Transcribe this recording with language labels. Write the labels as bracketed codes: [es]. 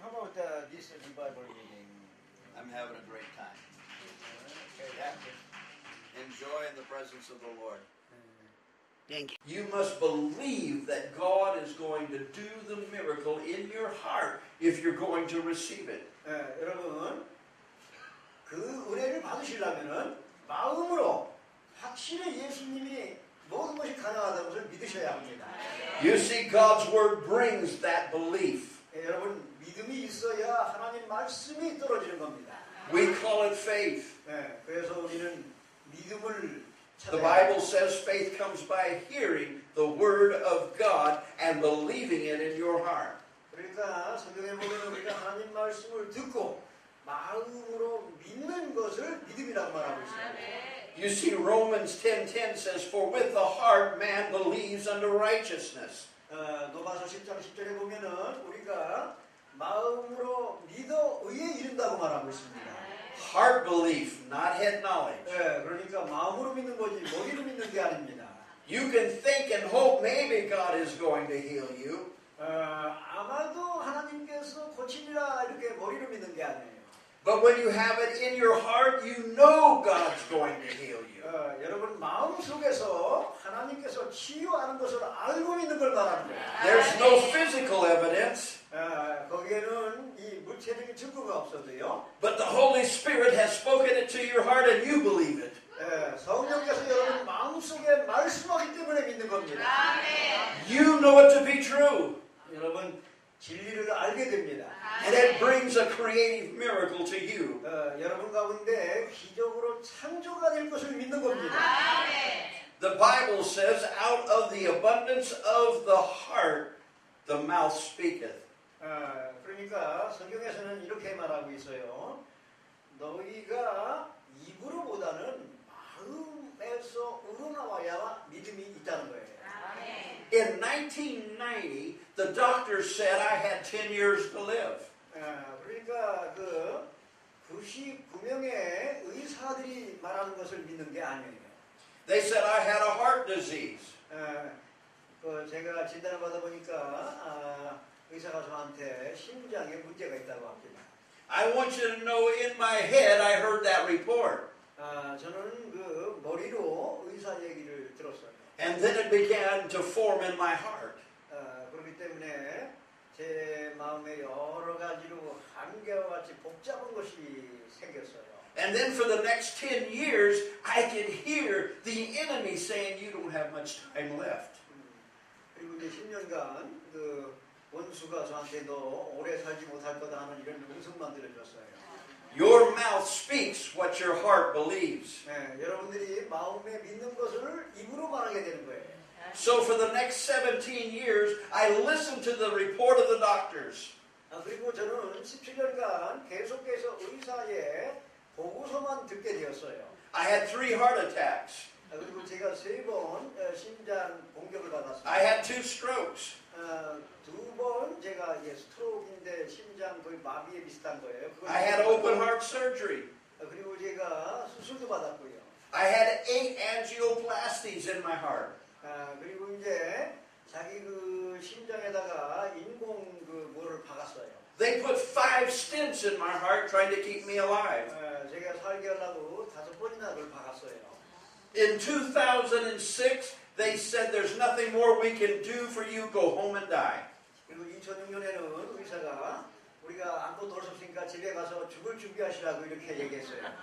[en] How about this revival meeting? I'm having a great time. Okay, yeah. Enjoy in the presence of the Lord. Thank you. You must believe that God is going to do the miracle in your heart if you're going to receive it. [ko] 여러분, 그 은혜를 받으시려면 마음으로 확실히 예수님이 모든 것이 가능하다는 것을 믿으셔야 합니다. [en] You see, God's word brings that belief. [ko] 여러분, 믿음이 있어야 하나님 말씀이 떨어지는 겁니다. [en] We call it faith. [ko] 그래서 우리는 믿음을 [en] The Bible says faith comes by hearing the word of God and believing it in your heart. [ko] 그러니까 성경에 보면 우리가 하나님 말씀을 듣고 마음으로 믿는 것을 믿음이라고 말하고 있습니다. [en] You see, Romans 10:10 says, "For with the heart man believes unto righteousness." [ko] 로마서 10장 10절에 보면은 우리가 마음으로 믿어 의에 이른다고 말하고 있습니다. [en] Heart belief, not head knowledge. [ko] 예, 그러니까 마음으로 믿는 거지 머리로 믿는 게 아닙니다. [en] You can think and hope maybe God is going to heal you. [ko] 아마도 하나님께서 고치리라 이렇게 머리로 믿는 게 아니에요. [en] But when you have it in your heart, you know God's going to heal you. [ko] 여러분 마음 속에서 하나님께서 치유하는 것을 알고 믿는 걸 말합니다. [en] There's no physical evidence. [ko] 거기에는 이 물체적인 증거가 없어도요. [en] But the Holy Spirit has spoken it to your heart and you believe it. [ko] 성령께서 여러분 마음속에 말씀하기 때문에 믿는 겁니다. [en] You know it to be true. [ko] 여러분 진리를 알게 됩니다. [en] And it brings a creative miracle to you. [ko] 여러분 가운데 기적으로 창조가 될 것을 믿는 겁니다. [en] The Bible says out of the abundance of the heart the mouth speaketh. [ko] 그러니까 성경에서는 이렇게 말하고 있어요. 너희가 입으로보다는 마음에서 우러나와야 믿음이 있다는 거예요. [en] Amen. In 1990, the doctor said I had 10 years to live. [ko] 그러니까 그 99명의 의사들이 말하는 것을 믿는 게 아니에요. [en] They said I had a heart disease. [ko] 제가 진단을 받아보니까 의사가 저한테 심장에 문제가 있다고 합니다. [en] I want you to know in my head I heard that report. [ko] 저는 그 머리로 의사 얘기를 들었어요. [en] And then it began to form in my heart. [ko] 그렇기 때문에 제 마음에 여러 가지로 한계와 같이 복잡한 것이 생겼어요. [en] And then for the next 10 years I can hear the enemy saying you don't have much time left. [ko] 그리고 이제 10년간 그 원수가 저한테 너 오래 살지 못할 거다 하는 이런 음성만 들려줬어요. [en] Your mouth speaks what your heart believes. [ko] 여러분들이 마음에 믿는 것을 입으로 말하게 되는 거예요. [en] So for the next 17 years, I listened to the report of the doctors. [ko] 그리고 저는 17년간 계속해서 의사의 보고서만 듣게 되었어요. [en] I had 3 heart attacks. [ko] 그리고 제가 세 번 심장 공격을 받았어요. [en] I had 2 strokes. [ko] 두 번 제가 이제 스트로크인데 심장 거의 마비에 비슷한 거예요. [en] I had open heart surgery. [ko] 그리고 제가 수술도 받았고요. [en] I had 8 angioplasties in my heart. [ko] 그리고 이제 자기 그 심장에다가 인공 그 뭐를 박았어요. [en] They put 5 stents in my heart trying to keep me alive. [ko] 제가 살게 하려고 다섯 번이나 그걸 박았어요. [en] In 2006, they said, "There's nothing more we can do for you. Go home and die." [ko] 그리고 2006년에는 의사가 우리가 아무것도 더 할 수 없으니까 집에 가서 죽을 준비하시라고 이렇게 얘기했어요.